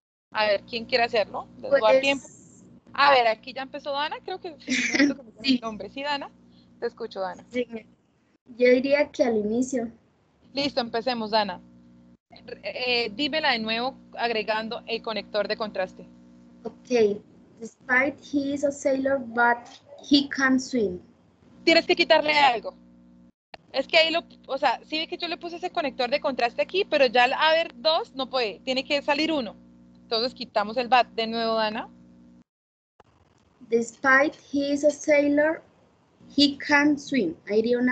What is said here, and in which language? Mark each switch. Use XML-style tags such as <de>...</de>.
<es>A ver, ¿quién quiere hacerlo? ¿Les voy a tiempo? A ver, aquí ya empezó Dana, creo que sí. Mi nombre. Sí, Dana. Te escucho, Dana. Sí. Yo diría que al inicio. Listo, empecemos, Dana. Dímela de nuevo agregando el conector de contraste. Ok.</es> <en>Despite he is a sailor, but he can swim.</en> <es>Tienes que quitarle algo. Es que ahí lo... O sea, sí ve que yo le puse ese conector de contraste aquí, pero ya al haber dos, no puede. Tiene que salir uno. Entonces quitamos el but de nuevo, Dana.</es> <en>Despite he is a sailor... He can swim.</en> <es>Ahí iría una</es>